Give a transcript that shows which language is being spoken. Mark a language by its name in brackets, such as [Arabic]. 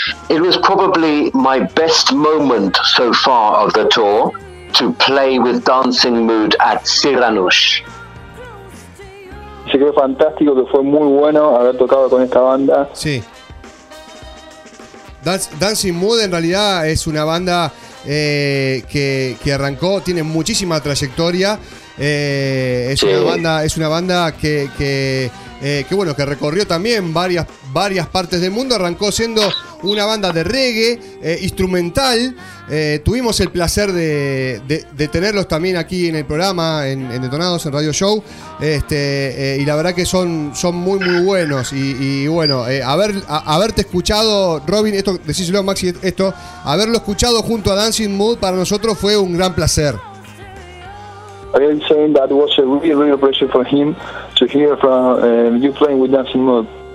[English] It was probably my best moment so far of the tour to play with Dancing Mood at Cyranush. [Spanish] Sí, que fue fantástico, que fue muy bueno haber tocado con esta banda. Sí. Dancing Mood en realidad es una banda que arrancó, tiene muchísima trayectoria. Es una banda que recorrió también varias partes del mundo. Arrancó siendo una banda de reggae instrumental. Tuvimos el placer de tenerlos también aquí en el programa, en Detonados, en Radio Show. Y la verdad que son muy, muy buenos. Haberte escuchado, Robin, esto, decíselo, Maxi, esto, haberlo escuchado junto a Dancing Mood para nosotros fue un gran placer. [English] I'm saying that was a really, really pleasure for him to hear from you playing with Dancing Mood.